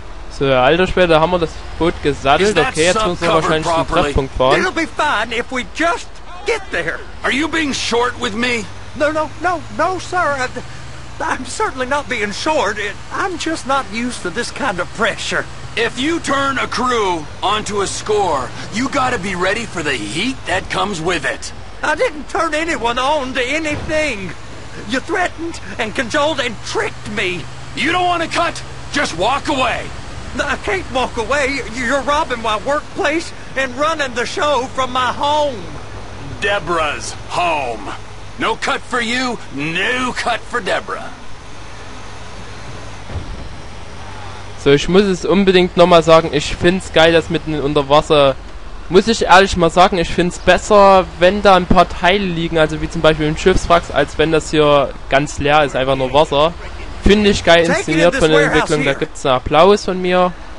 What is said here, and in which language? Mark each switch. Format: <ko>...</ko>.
<de>So, alter Später haben wir das Boot gesattelt. Okay, jetzt müssen wir wahrscheinlich zum Treffpunkt fahren.</de> <en>It'll be fine if we just get there. Are you being short with me? No, no, no, no, sir. I'm certainly not being short. I'm just not used to this kind of pressure. If you turn a crew onto a score, you gotta be ready for the heat that comes with it. I didn't turn anyone on to anything. You threatened and cajoled and tricked me. You don't want to cut? Just walk away. I can't walk away. You're robbing my workplace and running the show from my home. Deborah's home. No cut for you, no cut for Deborah.</en> <de>So, ich muss es unbedingt nochmal sagen, ich find's geil, dass mitten unter Wasser... Muss ich ehrlich mal sagen, ich find's besser, wenn da ein paar Teile liegen, also wie zum Beispiel im Schiffswrack, als wenn das hier ganz leer ist, einfach nur Wasser. Finde ich geil inszeniert von der Entwicklung, da gibt's einen Applaus von mir.</de>